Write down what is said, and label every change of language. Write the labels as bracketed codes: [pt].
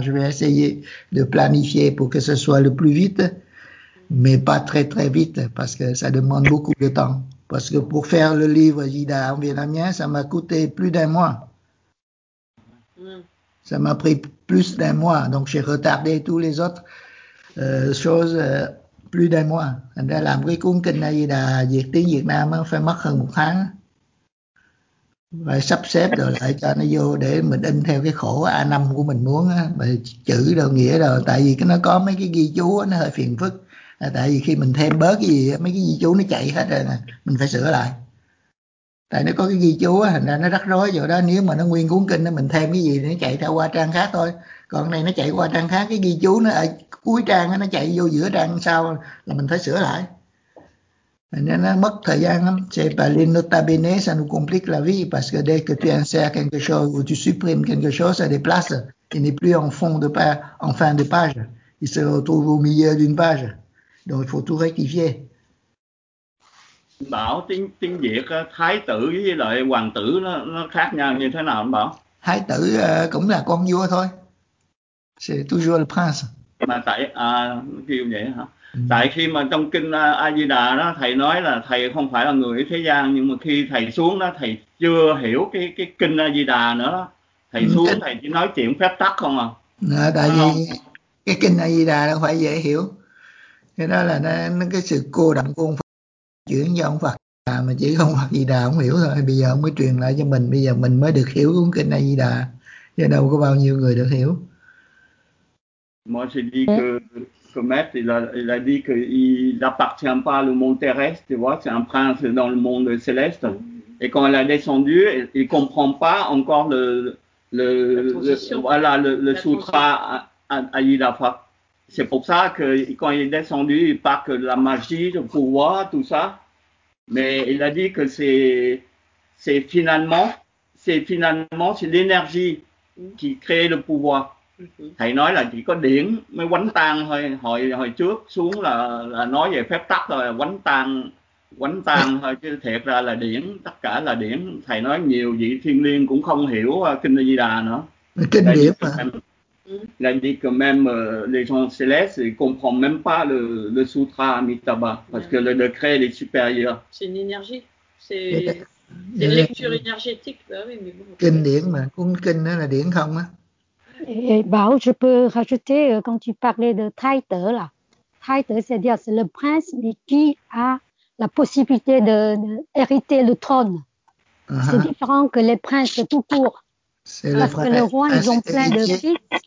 [fr] Je vais essayer de planifier pour que ce soit le plus vite, mais pas très, très vite, parce que ça demande beaucoup de temps. Parce que pour faire le livre Jida en vietnamien, ça m'a coûté plus d'un mois. Ça m'a pris plus d'un mois. Donc, j'ai retardé toutes les autres choses plus d'un mois. [vi] Thành ra làm cái cuốn kinh này là việc tiếng Việt Nam phải mất hơn một tháng. Phải sắp xếp rồi lại cho nó vô để mình in theo cái khổ A5 của mình muốn. Chữ đâu, nghĩa đâu. Tại vì nó có mấy cái ghi chú nó hơi phiền phức. Tại vì khi mình thêm bớt cái gì, mấy cái ghi chú nó chạy hết rồi nè. Mình phải sửa lại. Tại nó có cái ghi chú, thành ra nó rắc rối chỗ đó. Nếu mà nó nguyên cuốn kinh, mình thêm cái gì thì nó chạy theo qua trang khác thôi. Còn này nó chạy qua trang khác, cái ghi chú nó ở cuối trang, nó chạy vô giữa trang sau là mình phải sửa lại. Thành ra nó mất thời gian lắm. [fr] C'est pas les notabénés, ça nous complique la vie. Parce que dès que tu insères quelque chose ou tu supprimes quelque chose, ça déplace. Il n'est plus en fond de page, en fin de page. Il se retrouve au milieu d'une page. Donc il faut tout rectifier. [vi] Bảo, tiếng Việt thái tử với lại hoàng tử nó khác nhau như thế nào anh Bảo? Thái tử cũng là con vua thôi. [fr] C'est toujours le prince. [vi] Mà tại kêu vậy hả? Tại khi mà trong kinh A Di Đà đó, thầy nói là thầy không phải là người ở thế gian, nhưng mà khi thầy xuống đó thầy chưa hiểu cái kinh A Di Đà nữa. Thầy xuống thầy chỉ nói chuyện phép tắc không à? Nè, tại vì cái kinh A Di Đà đâu phải dễ hiểu. Cái đó là nó cái sự cô đọng của ông Phật. Chuyển do ông Phật Đà mà chỉ không Phật Di Đà không hiểu thôi. Bây giờ ông mới truyền lại cho mình. Bây giờ mình mới được hiểu cuốn kinh A Di Đà. Chứ đâu có bao nhiêu người được hiểu. [fr] Moi j'ai dit que maître il a dit qu'il n'appartient pas au monde terrestre. Tu vois, c'est un prince dans le monde céleste. Et quand elle a descendu, il ne comprend pas encore le sutra Ayurveda. C'est pour ça que quand il est descendu, il parle que la magie, le pouvoir, tout ça. Mais il a dit que c'est finalement c'est l'énergie qui crée le pouvoir. [vi] Thầy nói là chỉ có điện mới quánh tan thôi. Hồi trước xuống là nói về phép tắc rồi, quánh tan thôi, chứ thiệt ra là điển, tất cả là điển. Thầy nói nhiều vị thiên liêng cũng không hiểu kinh Di Đà nữa. Kinh điển mà. [fr] Là đi que même les gens célestes ils comprennent même pas le sutra Amitabha parce que le décret est supérieur. C'est une énergie. C'est une lecture énergétique là, oui, mais bon. [vi] Kinh điển mà, cuốn kinh đó là điển không á. [fr] Et Bao, je peux rajouter quand tu parlais de Thái Tử là. Thái Tử, c'est-à-dire c'est le prince mais qui a la possibilité d'hériter le trône. Uh-huh. C'est différent que les princes tout court. C'est parce que le roi, ils ont plein de fils.